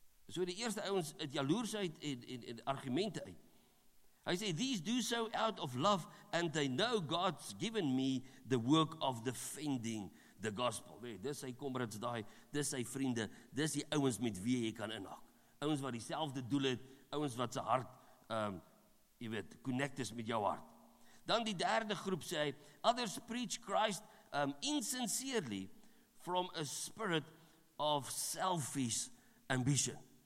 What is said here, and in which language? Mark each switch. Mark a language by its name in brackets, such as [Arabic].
[Afrikaans] So die eerste ouwens het jaloers uit en argumente uit. Hy sê, [English] these do so out of love and they know God's given me the work of defending the gospel. [Afrikaans] Nee, dis sy comrades daai, dis sy vriende, dis die ouwens met wie jy kan inhak. Ouwens wat dieselfde doel het, ouwens wat sy hart, jy weet, connect is met jou hart. Dan die derde groep sê, [English] others preach Christ insincerely from a spirit of selfish ambition.